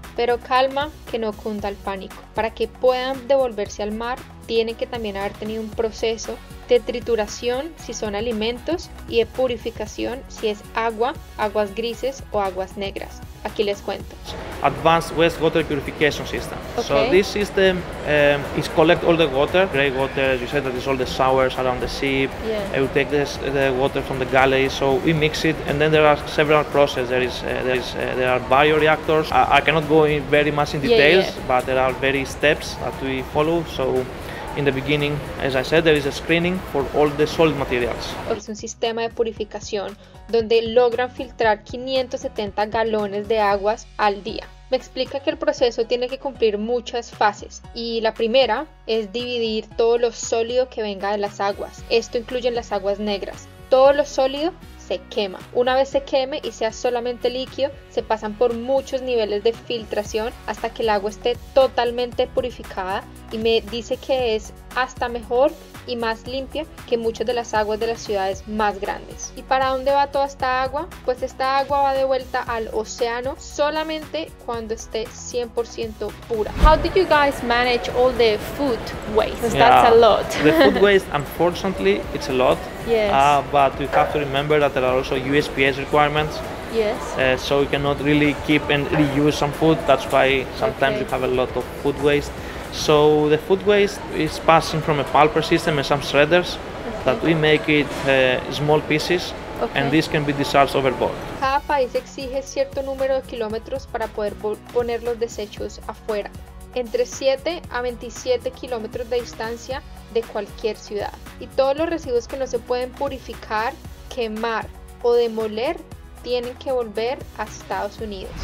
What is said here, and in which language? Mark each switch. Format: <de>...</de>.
<es>Pero calma, que no cunda el pánico. Para que puedan devolverse al mar, tienen que también haber tenido un proceso de trituración si son alimentos y de purificación si es agua, aguas grises o aguas negras. aquí les cuento.</es> <en>Advanced wastewater purification system. Okay. So this system is collect all the water, gray water, as you said, that is all the sours around the sea. Yeah. It will take the water from the galleys, so we mix it, and then there are several processes. There are bioreactors. I cannot go in very much in details, but there are various steps that we follow. So in the beginning, as I said, there is a screening for all the solid materials.</en> <es>Es un sistema de purificación donde logran filtrar 570 galones de aguas al día. Me explica que el proceso tiene que cumplir muchas fases y la primera es dividir todo lo sólido que venga de las aguas. Esto incluye las aguas negras. Todo lo sólido se quema. Una vez se queme y sea solamente líquido, se pasan por muchos niveles de filtración hasta que el agua esté totalmente purificada y me dice que es hasta mejor y más limpia que muchas de las aguas de las ciudades más grandes. ¿Y para dónde va toda esta agua? Pues esta agua va de vuelta al océano solamente cuando esté 100% pura.</es> <en>How did you guys manage all the food waste? Because that's a lot. The food waste, unfortunately, it's a lot. Yes. But we have to remember that there are also USPS requirements. Yes. So we cannot really keep and reuse some food. That's why sometimes we have a lot of food waste. So the food waste is passing from a pulper system and some shredders that we make it small pieces and this can be discharged overboard.</en> <es>Cada país exige cierto número de kilómetros para poder poner los desechos afuera, entre 7 a 27 kilómetros de distancia de cualquier ciudad. Y todos los residuos que no se pueden purificar, quemar o demoler tienen que volver a Estados Unidos.</es>